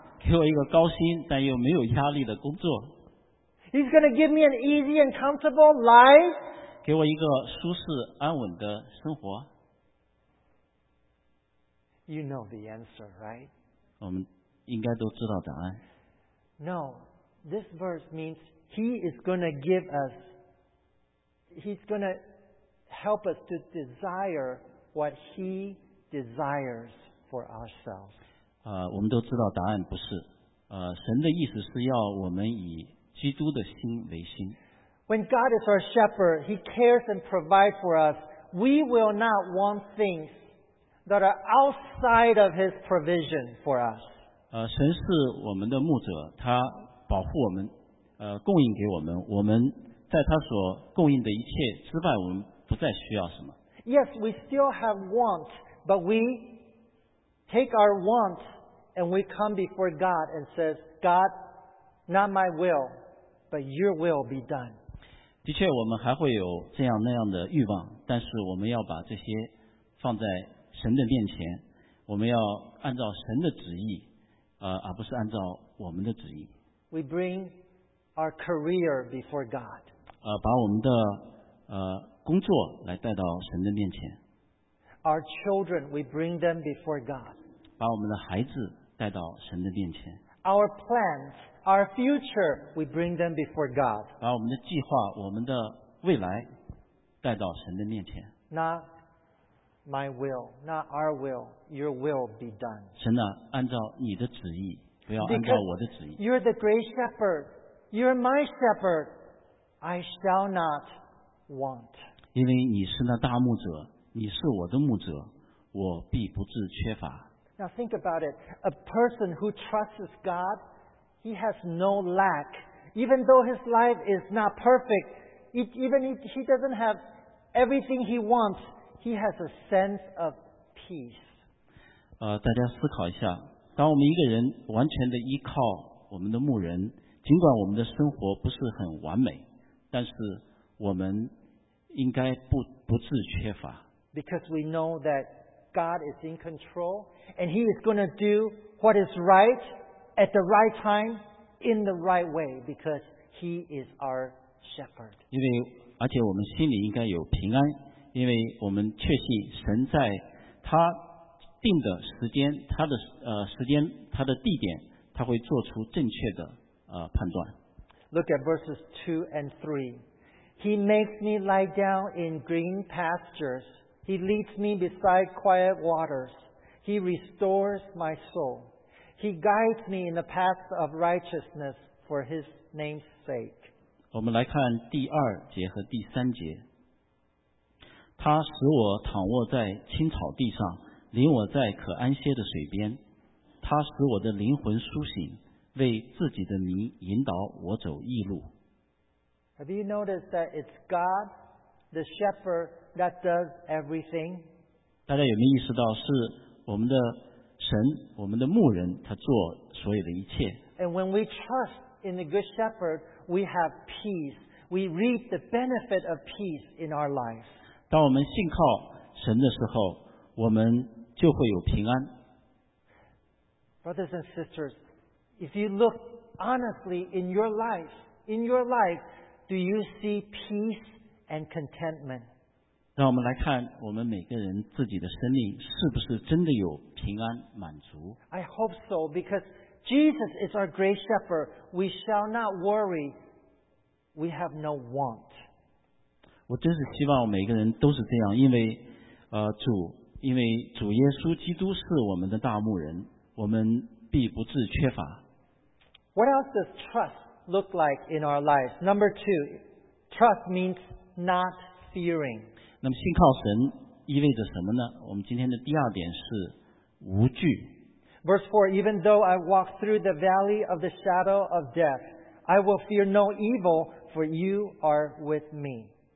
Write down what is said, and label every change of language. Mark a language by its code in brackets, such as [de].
[zh] 给我一个高薪但又没有压力的工作。 [en] He's going to give me an easy and comfortable life? [zh] 给我一个舒适安稳的生活。 [en] You know the answer, right? [zh] 我们应该都知道答案。 [en] No, this verse means he is going to give us, he's going to help us to desire what he desires for ourselves. [zh] 我们都知道答案不是。神的意思是要我们以基督的心为心。 [en] When God is our shepherd, he cares and provides for us. We will not want things that are outside of his provision for us. [zh] 神是我们的牧者，他保护我们，供应给我们，我们在他所供应的一切之外，我们不再需要什么。 [en] Yes, we still have wants, but we take our wants and we come before God and says, God, not my will, but your will be done. [zh] 的确我们还会有这样那样的欲望，但是我们要把这些放在神的面前，我们要按照神的旨意，而不是按照我们的旨意。 [en] We bring our career before God. [zh] 把我们的工作来带到神的面前。 [en] Our children, we bring them before God. [zh] 把我们的孩子带到神的面前。 [en] Our plans, our future, we bring them before God. [zh] 把我们的计划，我们的未来带到神的面前。 [en] Not my will, not our will, your will be done. [zh] 神啊，按照你的旨意。不要按照我的旨意。 [en] Because、you're the great shepherd. You're my shepherd. I shall not want. [zh] 因为你是那大牧者，你是我的牧者，我必不致缺乏。 [en] Now think about it. A person who trusts God, he has no lack. Even though his life is not perfect, even if he doesn't have everything he wants, he has a sense of peace. [zh] 大家思考一下。当我们一个人完全的依靠我们的牧人，尽管我们的生活不是很完美，但是我们应该不致缺乏。 [en] Because we know that God is in control, and He is going to do what is right at the right time in the right way, because He is our shepherd. [zh] 因为而且我们心里应该有平安，因为我们确信神在他定的时间，他的时间，他的地点，他会做出正确的判断。 [en] Look at verses 2 and 3. He makes me lie down in green pastures. He leads me beside quiet waters. He restores my soul. He guides me in the path of righteousness for His name's sake. [zh] 我们来看第二节和第三节。他使我躺卧在青草地上，领我在可安歇的水边。他使我的灵魂苏醒，为自己的名引导我走义路。 [en] Have you noticed that it's God, the shepherd, that does everything? [zh] 大家有没有意识到是我们的神，我们的牧人，他做所有的一切。 [en] And when we trust in the good shepherd, we have peace. We reap the benefit of peace in our lives. [zh] 当我们信靠神的时候，我们就会有平安。 [en] Brothers and sisters, if you look honestly in your life, do you see peace and contentment? [zh] 让我们来看我们每个人自己的生命是不是真的有平安满足。 [en] I hope so, because Jesus is our great shepherd. We shall not worry. We have no want. [zh] 我真是希望每个人都是这样，因为主耶稣基督是我们的大牧人，我们必不致缺乏。 [en] What else does trust look like in our lives? Number two, trust means not fearing. [zh] 那么信靠神意味着什么呢？我们今天的第二点是无惧。 [en] Verse 4, even though I walk through the valley of the shadow of death, I will fear no evil, for you are with me.